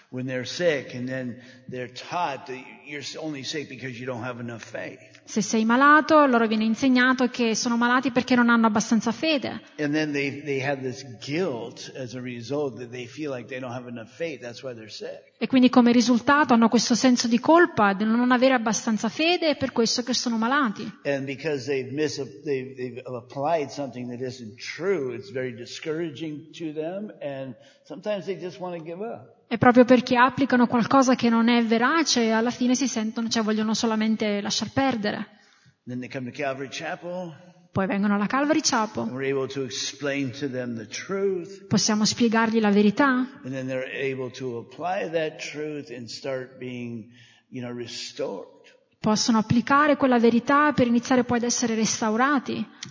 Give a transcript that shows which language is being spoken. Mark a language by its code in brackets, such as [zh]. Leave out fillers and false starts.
[en] When they're sick and then they're taught that you're only sick because you don't have enough faith. [it] Se sei malato, loro viene insegnato che sono malati perché non hanno abbastanza fede. [en] And then they have this guilt as a result that they feel like they don't have enough faith, that's why they're sick. [it] E quindi come risultato hanno questo senso di colpa di non avere abbastanza fede e per questo che sono malati. [en] And because they've applied something that isn't true, it's very discouraging to them and sometimes they just want to give up. [it] E proprio perché applicano qualcosa che non è verace e alla fine si sentono, cioè vogliono solamente lasciar perdere. [en] Then they come to Calvary Chapel, [it] poi vengono alla Calvary Chapel. [en] We're able to explain to them the truth, [it] possiamo spiegargli la verità. [en] And then they're able to apply that truth and start being, you know, restored. [it] possono applicare quella verità per iniziare poi ad essere restaurati.